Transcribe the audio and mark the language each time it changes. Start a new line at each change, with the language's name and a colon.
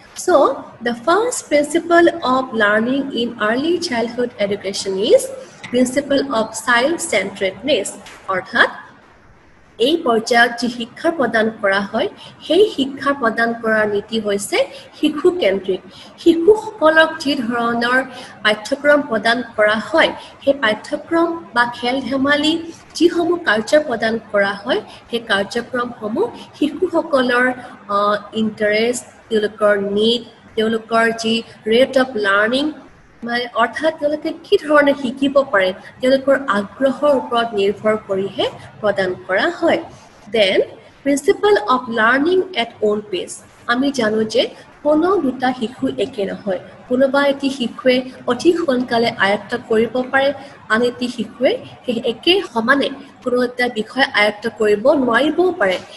English: So, the first principle of learning in early childhood education is principle of child-centeredness.
Assamese: অৰ্থাৎ এই পৰ্যায়ত যি শিক্ষা প্ৰদান কৰা হয় সেই শিক্ষা প্ৰদান কৰাৰ নীতি হৈছে শিশুকেন্দ্ৰিক। শিশুসকলক যি ধৰণৰ পাঠ্যক্ৰম প্ৰদান কৰা হয় সেই পাঠ্যক্ৰম বা খেল ধেমালি যিসমূহ কাৰ্য প্ৰদান কৰা হয় সেই কাৰ্যক্ৰমসমূহ শিশুসকলৰ ইণ্টাৰেষ্ট, তেওঁলোকৰ নীড, তেওঁলোকৰ যি ৰেট অফ লাৰ্ণিং মানে অৰ্থাৎ তেওঁলোকে কি ধৰণে শিকিব পাৰে তেওঁলোকৰ আগ্ৰহৰ ওপৰত নিৰ্ভৰ কৰিহে প্ৰদান কৰা হয়।
English: Then, principle of learning at own pace.
Assamese: আমি জানো যে কোনো দুটা শিশু একে নহয়। কোনোবা এটি শিশুৱে অতি সোনকালে আয়ত্ত কৰিব পাৰে, আন এটি শিশুৱে সেই একে সমানে কোনো এটা বিষয় আয়ত্ত কৰিব নোৱাৰিবও পাৰে।